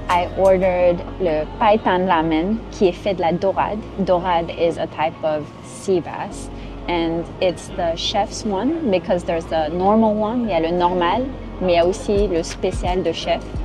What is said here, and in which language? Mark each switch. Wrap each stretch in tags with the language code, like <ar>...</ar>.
<en>I ordered</en> <fr>le paitan ramen, qui est fait de la dorade.</fr> <en>Dorade is a type of sea bass. And it's the chef's one, because there's the normal one.</en> <fr>Il y a le normal. Mais il y a aussi le spécial de chef.</fr>